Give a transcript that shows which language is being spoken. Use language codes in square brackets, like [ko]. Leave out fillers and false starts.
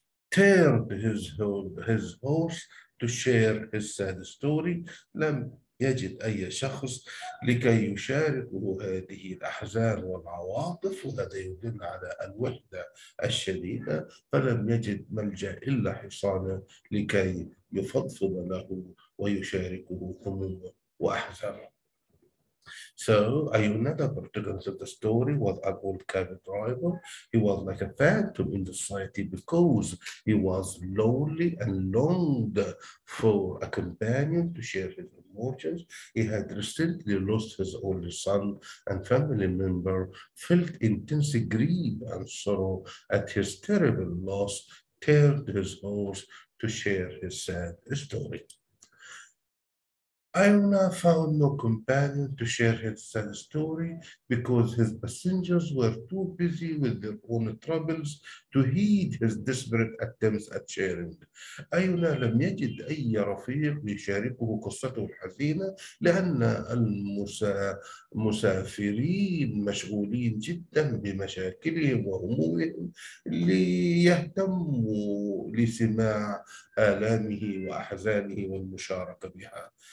[en] Turned his horse to share his sad story, [ar] لم يجد أي شخص لكي يشارك هذه الأحزان والعواطف, وهذا يدل على الوحدة الشديدة. فلم يجد ملجأ إلا حصانه لكي يفضفض له ويشاركه همومه وأحزانه. [en] So, Iona, the protagonist of the story, was an old cab driver. He was like a phantom in the society because he was lonely and longed for a companion to share his emotions. He had recently lost his only son and family member, felt intense grief and sorrow at his terrible loss, turned his horse to share his sad story. Iona found no companion to share his sad story because his passengers were too busy with their own troubles to heed his desperate attempts at sharing. [ar] Iona لم يجد أي رفيق ليشاركه قصته الحزينة لأن المسافرين مشغولين جدا بمشاكلهم وهمومهم ليهتموا لسماع آلامه وأحزانه والمشاركة بها.